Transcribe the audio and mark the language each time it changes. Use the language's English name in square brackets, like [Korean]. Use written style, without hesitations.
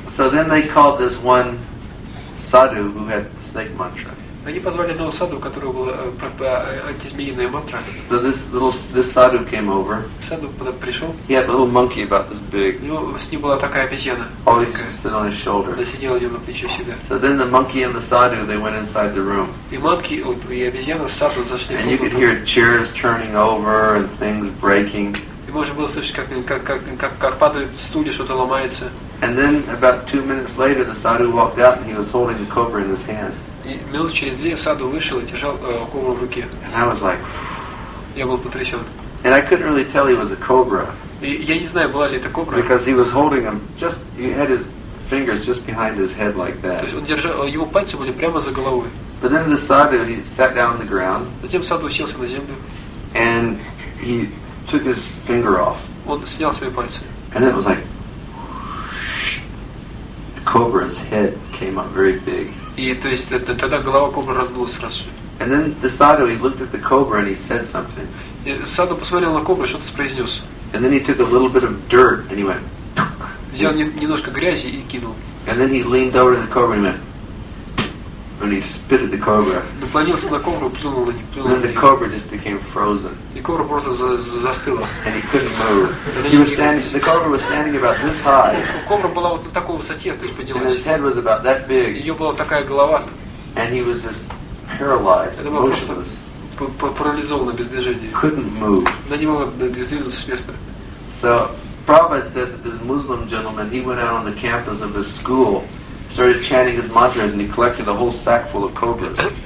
[English] So then they called this one sadhu who had the snake mantra. [Russian] Они позвали одного саду, у которого была антизмеиная мантра. [English] So this sadhu came over. [Russian] Саду пришел. [English] He had a little monkey about this big. [Russian] Ну, с ним была такая обезьяна. [English] Oh, he just sat on his shoulder. [Russian] Она сидела у него на плече всегда. [English] So then the monkey and the sadhu, they went inside the room. [Russian] И monkey, и обезьяна с саду зашли в комнату. [English] And you could hear chairs turning over and things breaking. [Russian] И можно было слышать, как падают стулья, что-то ломается. [English] And then about 2 minutes later, the sadhu walked out and he was holding the cobra in his hand. [Russian] И минут через две саду вышел и держал кобру в руке. [English] And I was like, [Russian] я был потрясен. [English] And I couldn't really tell he was a cobra. [Russian] И я не знаю, была ли это кобра. [English] Because he was holding him just, he had his fingers just behind his head like that. [Russian] То есть он держал, его пальцы были прямо за головой. [English] But then the sadhu, he sat down on the ground. [Russian] Затем саду уселся на землю. [English] And he took his finger off. [Russian] Он снял свои пальцы. [English] And then it was like, the cobra's head came up very big. [Russian] И то есть тогда голова кобры раздулась сразу. [English] And then the sadhu, he looked at the cobra and he said something. [Russian] Саду посмотрел на кобру, что-то произнес. [English] And then he took a little bit of dirt and he went. [Russian] Взял немножко грязи и кинул. [English] And then he leaned over to the cobra and he went. And he spit at the cobra. [Russian] Наклонился на кобру, плюнул на нее. [English] Then the cobra just became frozen. [Russian] И кобра просто застыла. [English] And he couldn't move. He was standing. The cobra was standing about this high. [Russian] Кобра была вот на такой высоте, то есть поднялась. [English] And his head was about that big. [Russian] Ее была такая голова. [English] And he was just paralyzed, motionless. [Russian] Парализованно, без движения. [English] Couldn't move. [Russian] Она не могла двигаться с места. [English] So Prabhupada said that this Muslim gentleman, he went out on the campus of his school. Started chanting his mantras and he collected a whole sack full of cobras.